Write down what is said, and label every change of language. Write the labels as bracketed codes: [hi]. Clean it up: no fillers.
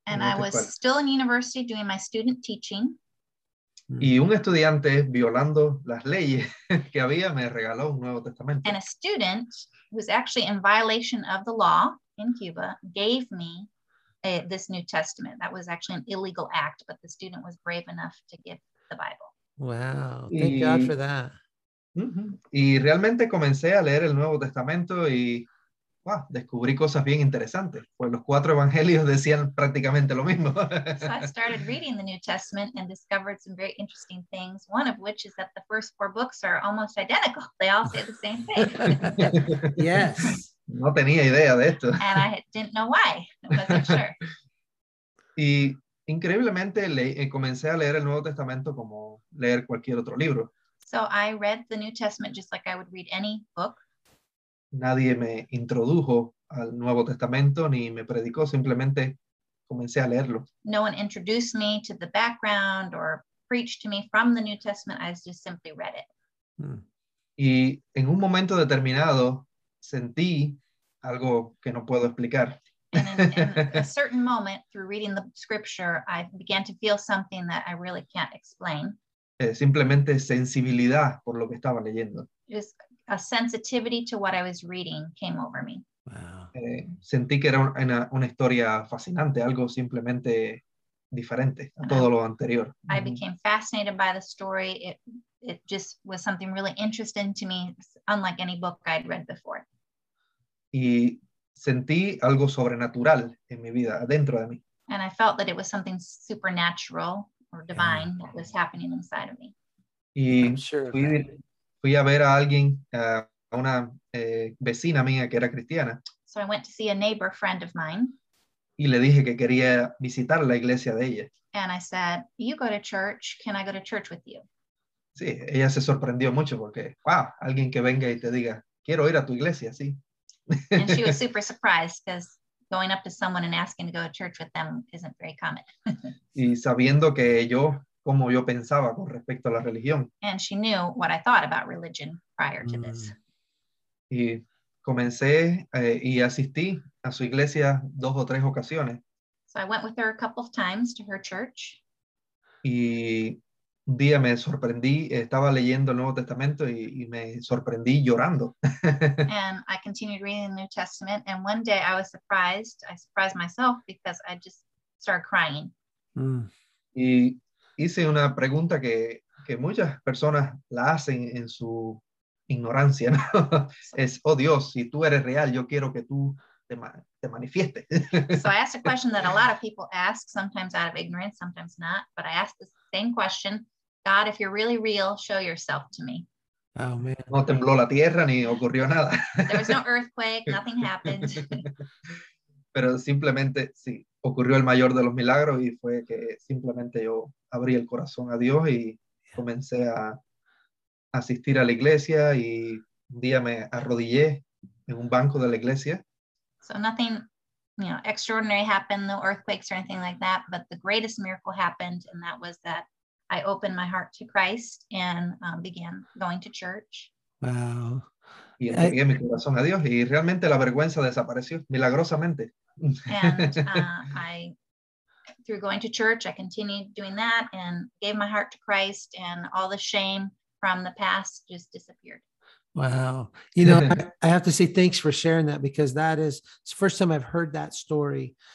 [en] And I was still in university doing my student teaching. [es] Y un estudiante violando las leyes que había me regaló un Nuevo Testamento. [en] And a student who was actually in violation of the law in Cuba gave me this New Testament. That was actually an illegal act, but the student was brave enough to give the Bible. Wow, thank God for that. [es] Y realmente comencé a leer el Nuevo Testamento y wow, descubrí cosas bien interesantes. Pues los cuatro evangelios decían prácticamente lo mismo. [en] So I started reading the New Testament and discovered some very interesting things, one of which is that the first four books are almost identical. They all say the same thing. Yes. [es] No tenía idea de esto. [en] And I didn't know why. I wasn't sure. [es] Y increíblemente comencé a leer el Nuevo Testamento como leer cualquier otro libro. [en] So I read the New Testament just like I would read any book. [es] Nadie me introdujo al Nuevo Testamento ni me predicó, simplemente comencé a leerlo. [en] No one introduced me to the background or preached to me from the New Testament. I just simply read it. [es] Y en un momento determinado sentí algo que no puedo explicar. [en] In a certain moment, through reading the scripture, I began to feel something that I really can't explain. [es] Simplemente sensibilidad por lo que estaba leyendo. [en] Just a sensitivity to what I was reading came over me. Wow. [es] Sentí que era una historia fascinante, algo simplemente diferente a todo lo anterior. [en] I became fascinated by the story. It just was something really interesting to me, unlike any book I'd read before. [es] Y sentí algo sobrenatural en mi vida, adentro de mí. [en] And I felt that it was something supernatural or divine that was happening inside of me. Y I'm sure of that. [es] Fui a ver a alguien, a una vecina mía que era cristiana. [en] So I went to see a neighbor friend of mine. [es] Y le dije que quería visitar la iglesia de ella. [en] And I said, you go to church, can I go to church with you? [es] Sí, ella se sorprendió mucho porque, wow, alguien que venga y te diga, quiero ir a tu iglesia, sí. [en] And she was super surprised because going up to someone and asking to go to church with them isn't very common. [es] Y sabiendo que yo... como yo pensaba con respecto a la religión. [en] And she knew what I thought about religion prior to this. [es] Y comencé y asistí a su iglesia dos o tres ocasiones. [en] So I went with her a couple of times to her church. [es] Y un día me sorprendí, estaba leyendo el Nuevo Testamento y me sorprendí llorando. [en] And I continued reading the New Testament. And one day I surprised myself because I just started crying. [es] Y hice una pregunta que muchas personas la hacen en su ignorancia, ¿no? Es, oh Dios, si tú eres real, yo quiero que tú te manifiestes. [en] So I asked a question that a lot of people ask, sometimes out of ignorance, sometimes not, but I asked the same question, God, if you're really real, show yourself to me. Oh, man. [es] No tembló la tierra ni ocurrió nada. [en] There was no earthquake, nothing happened. [es] Pero simplemente, sí, ocurrió el mayor de los milagros y fue que simplemente yo abrí el corazón a Dios y comencé a asistir a la iglesia y un día me arrodillé en un banco de la iglesia. [en] So nothing, you know, extraordinary happened, no earthquakes or anything like that, but the greatest miracle happened and that was that I opened my heart to Christ and began going to church. Wow. [es] y entregué mi corazón a Dios, y realmente la vergüenza desapareció milagrosamente. [en] I through going to church, I continued doing that and gave my heart to Christ, and all the shame from the past just disappeared. Wow. You know, I have to say thanks for sharing that, because that is the first time I've heard that story.